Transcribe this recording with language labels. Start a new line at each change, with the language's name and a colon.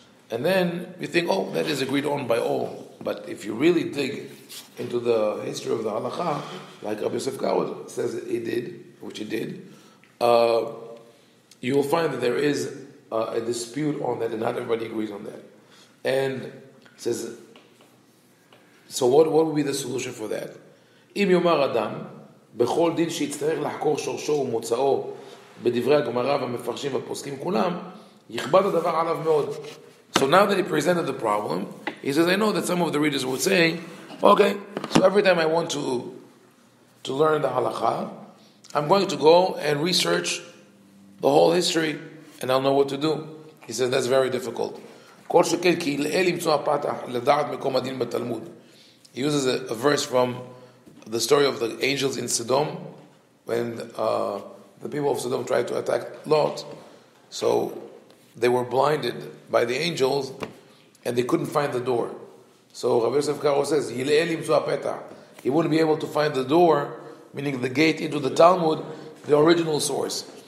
English: And then you think, oh, that is agreed on by all. But if you really dig into the history of the halakha, like Rabbi Yosef Karo says he did, which he did, you will find that there is a dispute on that, and not everybody agrees on that. And it says, so what would be the solution for that?
Hebrew: אם יאמר אדם, בכל דין שיצטרך לחקור שורשו ומוצאו בדברי הגמרא והמפרשים והפוסקים כולם, יכבד הדבר עליו מאוד.
English: So now that he presented the problem, he says, I know that some of the readers would say, okay, so every time I want to learn the halakha, I'm going to go and research the whole history, and I'll know what to do. He says, that's very difficult.
Hebrew: כל שכן, כי אלא למצוא הפתח לדעת מקום הדין בתלמוד.
English: He uses a verse from the story of the angels in Sodom, when the people of Sodom tried to attack Lot. So they were blinded by the angels, and they couldn't find the door. So Rabbi Yosef Karo says,
Hebrew: Yile elim zu apeta.
English: He wouldn't be able to find the door, meaning the gate into the Talmud, the original source.